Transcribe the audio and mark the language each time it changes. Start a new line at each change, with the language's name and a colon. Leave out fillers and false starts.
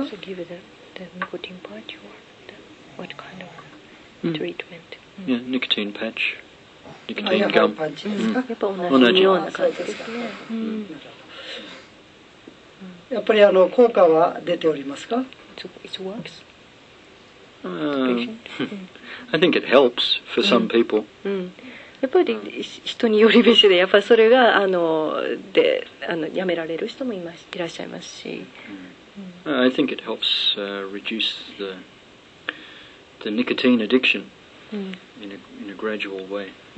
English: So give the nicotine patch or what kind of treatment? Yeah, nicotine patch. Nicotine gum.
Japanese: パンチですか？やっぱ同じような感じですか？やっぱり効果は出ておりますか？
English: It works. I think it helps for some people.
Japanese: やっぱり人によりべしで、やっぱりそれがで、やめられる人もいらっしゃいますし。
English: I think it helps reduce the nicotine addiction in a gradual way.